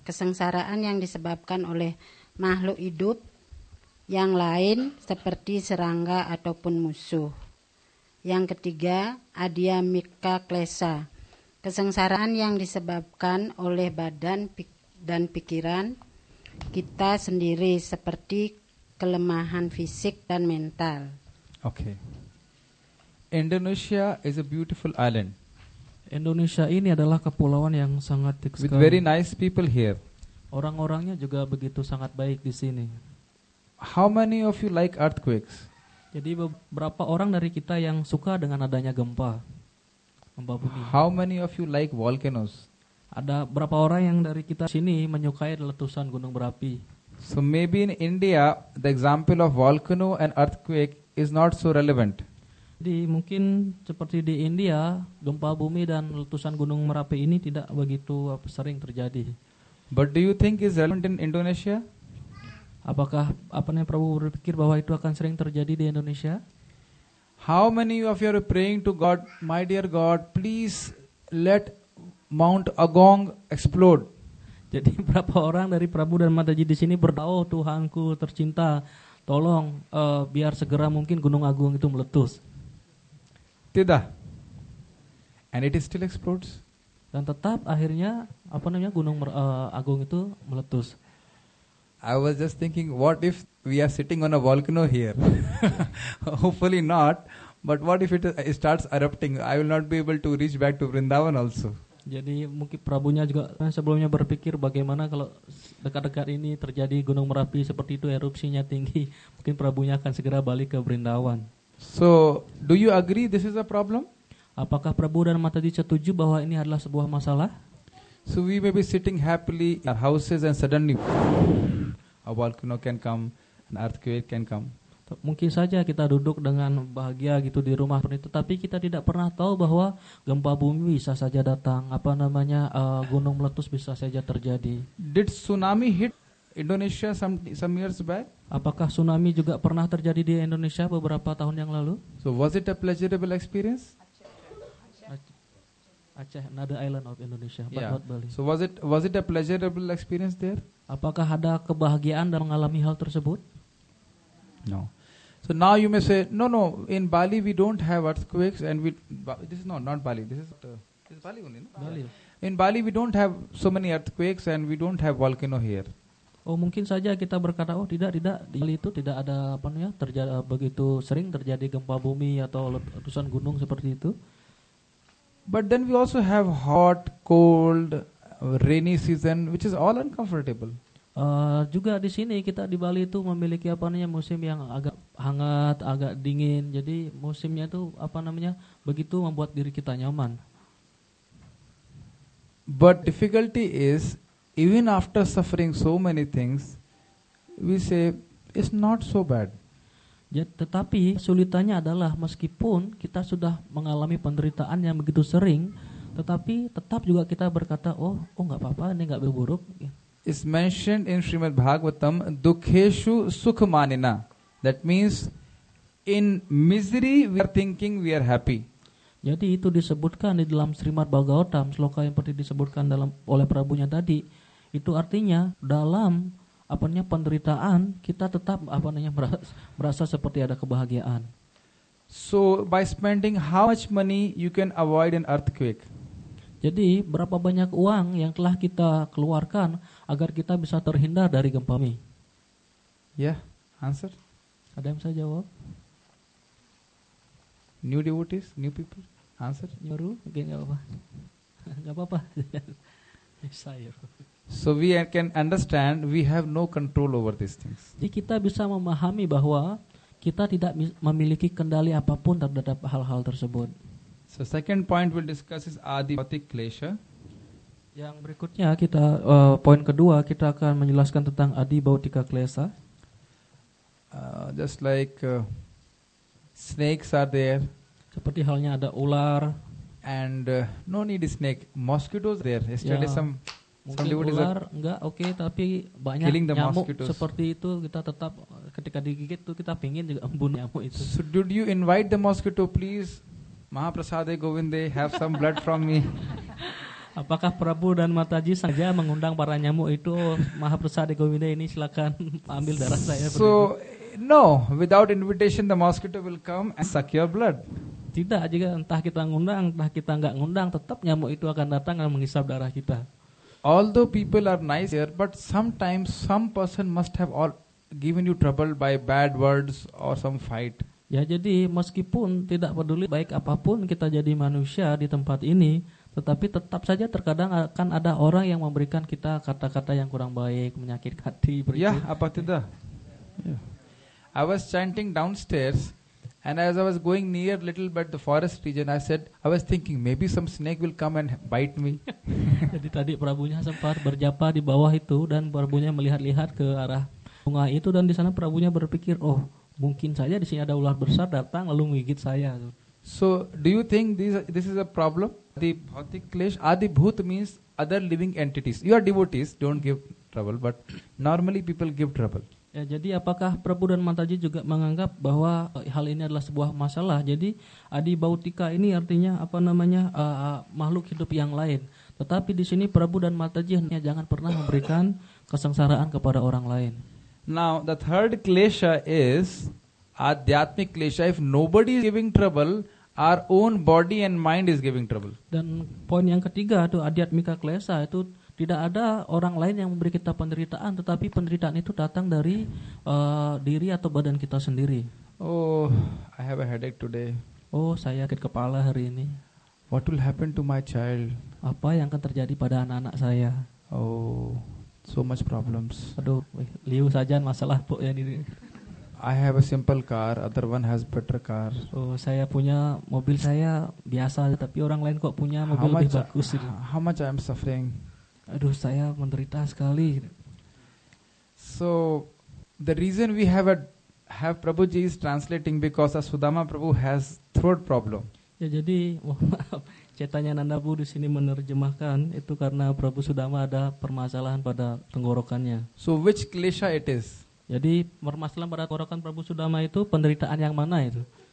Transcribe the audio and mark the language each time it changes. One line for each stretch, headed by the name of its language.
Indonesian: Kesengsaraan yang disebabkan oleh makhluk hidup yang lain seperti serangga ataupun musuh. Yang ketiga, Adiyamika Klesha. Kesengsaraan yang disebabkan oleh badan dan pikiran kita sendiri seperti kelemahan fisik dan mental.
English: Okay. Indonesia is a beautiful island.
Indonesian: Indonesia ini adalah kepulauan yang sangat dikenal.
English: With very nice people here.
Indonesian: Orang-orangnya juga begitu sangat baik di sini.
English: How many of you like earthquakes?
Indonesian: Jadi berapa orang dari kita yang suka dengan adanya gempa?
English: How many of you like volcanoes?
Indonesian: Ada berapa orang yang dari kita sini menyukai letusan gunung berapi?
English: So maybe in India the example of volcano and earthquake is not so relevant.
Indonesian: Jadi mungkin seperti di India gempa bumi dan letusan gunung merapi ini tidak begitu sering terjadi.
English: But do you think is relevant in Indonesia?
Indonesian: Apakah apa namanya Prabhu berpikir bahwa itu akan sering terjadi di Indonesia?
English: How many of you are praying to God, my dear God, please let Mount Agung explode?
Indonesian: Jadi berapa orang dari Prabhu dan Mataji di sini berdoa, oh, Tuhanku tercinta, tolong biar segera mungkin Gunung Agung itu meletus. Tidak.
English: And it is still explodes.
Indonesian: Dan tetap akhirnya apa namanya Gunung Agung itu meletus.
English: I was just thinking, what if we are sitting on a volcano here? Hopefully not, but what if it starts erupting? I will not be able to reach back to Vrindavan also.
Indonesian: Jadi mungkin Prabhunya juga sebelumnya berpikir bagaimana kalau dekat-dekat ini terjadi Gunung Merapi seperti itu erupsinya tinggi, mungkin Prabhunya akan segera balik ke Vrindavan.
English: So, do you agree this is a problem?
Indonesian: Apakah Prabhu dan Mataji setuju bahwa ini adalah sebuah masalah?
English: So we may be sitting happily in our houses and suddenly a volcano can come, an earthquake can come.
Indonesian: Mungkin saja kita duduk dengan bahagia gitu di rumah, tapi kita tidak pernah tahu bahwa gempa bumi bisa saja datang, apa namanya gunung meletus bisa saja terjadi.
English: Did tsunami hit Indonesia some years back?
Indonesian: Apakah tsunami juga pernah terjadi di Indonesia beberapa tahun yang lalu?
English: So was it a pleasurable experience? Aceh, another island of Indonesia, but not Bali. So was it a pleasurable experience there?
Indonesian: Apakah ada kebahagiaan dalam mengalami hal tersebut?
English: No. So now you may say, no. In Bali we don't have earthquakes, and this is not Bali. This is Bali only. No? Bali. In Bali we don't have so many earthquakes, and we don't have volcano here.
Indonesian: Oh, mungkin saja kita berkata, oh tidak, tidak, di Bali itu tidak ada apa ya, terjadi begitu sering terjadi gempa bumi atau letusan gunung seperti itu.
English: But then we also have hot, cold, rainy season, which is all uncomfortable.
Indonesian: Juga di sini kita di Bali itu memiliki apa namanya musim yang agak hangat, agak dingin. Jadi musimnya itu apa namanya begitu membuat diri kita nyaman.
English: But difficulty is, even after suffering so many things, we say it's not so bad.
Indonesian: Tetapi sulitannya adalah meskipun kita sudah mengalami penderitaan yang begitu sering, tetapi tetap juga kita berkata, oh nggak apa-apa, ini nggak berburuk.
English: It's mentioned in Srimad Bhagavatam,
Sanskrit: dukheshu sukhmanina.
English: That means in misery we are thinking we are happy.
Indonesian: Jadi itu disebutkan di dalam Srimad Bhagavatam, sloka yang pernah disebutkan dalam oleh Prabhunya tadi. Itu artinya dalam apanya penderitaan kita tetap apanya merasa seperti ada kebahagiaan.
English: So by spending how much money you can avoid an earthquake.
Indonesian: Jadi berapa banyak uang yang telah kita keluarkan agar kita bisa terhindar dari gempa bumi?
English: Yeah, answer.
Indonesian: Ada yang bisa jawab?
English: New devotees, new people, answer.
Indonesian: Baru, okay, nggak apa-apa. Nggak apa-apa. Saya.
English: So we can understand we have no control over these things.
Indonesian: Jadi kita bisa memahami bahwa kita tidak memiliki kendali apapun terhadap hal-hal tersebut.
English: So second point we'll discuss is adipati klesha.
Indonesian: Yang berikutnya kita poin kedua kita akan menjelaskan tentang adibautika klesha.
English: Just like snakes are there.
Indonesian: Seperti halnya ada ular.
English: And no need snake, mosquitoes there. Yesterday yeah.
Indonesian: Mungkin ular enggak oke, tapi banyak nyamuk seperti itu kita tetap ketika digigit tuh kita pingin juga membunuh nyamuk itu.
English: So did you invite the mosquito please? Mahaprasade Govinde, have some blood from me.
Indonesian: Apakah Prabhu dan Mataji saja mengundang para nyamuk itu? Mahaprasade Govinde ini silakan ambil darah saya.
English: So no, without invitation the mosquito will come and suck your blood.
Indonesian: Tidak, jika entah kita ngundang, entah kita enggak ngundang, tetap nyamuk itu akan datang dan menghisap darah kita.
English: Although people are nice here, but sometimes some person must have all given you trouble by bad words or some fight.
Indonesian: Ya, jadi meskipun tidak peduli baik apapun kita jadi manusia di tempat ini, tetapi tetap saja terkadang akan ada orang yang memberikan kita kata-kata yang kurang baik, menyakit hati. Berikut. Ya, apa tidak? Ya.
English: I was chanting downstairs, and as I was going near little bit the forest region, I said, I was thinking maybe some snake will come and bite me.
Indonesian: Jadi tadi Prabhunya sempat berjapa di bawah itu dan Prabhunya melihat-lihat ke arah sungai itu dan di sana Prabhunya berpikir, oh mungkin saja di sini ada ulat besar datang lalu menggigit saya.
English: So do you think this is a problem? The bhautik klesh, adibhut means other living entities. You are devotees, don't give trouble, but normally people give trouble.
Indonesian: Ya, jadi apakah Prabhu dan Mataji juga menganggap bahwa hal ini adalah sebuah masalah? Jadi adibautika ini artinya apa namanya makhluk hidup yang lain. Tetapi di sini Prabhu dan Mataji hanya jangan pernah memberikan kesengsaraan kepada orang lain.
English: Now the third klesha is adhyatmik klesha. If nobody is giving trouble, our own body and mind is giving trouble.
Indonesian: Dan poin yang ketiga itu adhyatmika klesha itu. Tidak ada orang lain yang memberi kita penderitaan, tetapi penderitaan itu datang dari diri atau badan kita sendiri.
English: Oh, I have a headache today.
Indonesian: Oh, saya sakit kepala hari ini.
English: What will happen to my child?
Indonesian: Apa yang akan terjadi pada anak-anak saya?
English: Oh, so much problems.
Indonesian: Aduh, liu saja masalah bu yang ini.
English: I have a simple car, other one has better car.
Indonesian: Oh, saya punya mobil saya biasa, tapi orang lain kok punya mobil
English: how
Indonesian: lebih
English: much,
Indonesian: bagus ini.
English: How much I am suffering?
Indonesian: Aduh, saya menderita sekali.
English: So the reason we have Prabhuji is translating because Sudama Prabhu has throat problem.
Indonesian: Ya, jadi Caitanya Nandabu di sini menerjemahkan itu karena Prabhu Sudama ada permasalahan pada tenggorokannya.
English: So which klesha it is?
Indonesian: Jadi permasalahan pada tenggorokan Prabhu Sudama itu penderitaan yang mana itu?